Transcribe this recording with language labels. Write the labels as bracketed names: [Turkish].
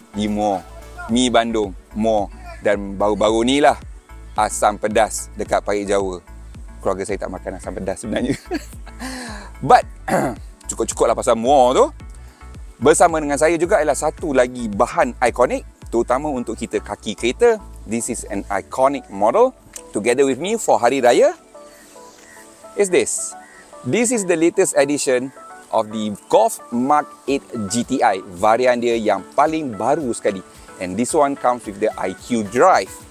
[Malay] Di Muar. Mi Bandung, Muar. Dan baru-baru ni lah asam pedas dekat Parit Jawa. Keluarga saya tak makan asam pedas sebenarnya. But, cukup-cukup lah pasal Muar tu. Bersama dengan saya juga ialah satu lagi bahan ikonik, terutama untuk kita kaki kereta. [English] This is an iconic model. Together with me for Hari Raya is this. This is the latest edition of the Golf Mark 8 GTI. [Malay] Varian dia yang paling baru sekali. [English] And this one comes with the IQ Drive.